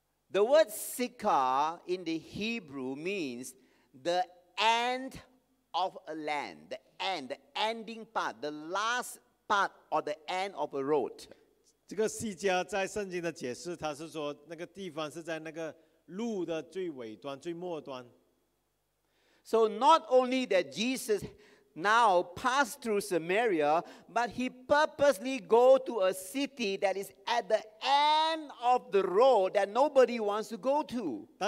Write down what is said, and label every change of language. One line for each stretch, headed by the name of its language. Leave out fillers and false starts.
English: The word Sika in the Hebrew means the end of a land, the ending part, the last part or the end of a road.
Chinese: 这个Sika在圣经的解释，它是说那个地方是在那个路的最尾端、最末端。So
English: not only that Jesus now pass through Samaria, but he purposely go to a city that is at the end of the road that nobody wants to go to.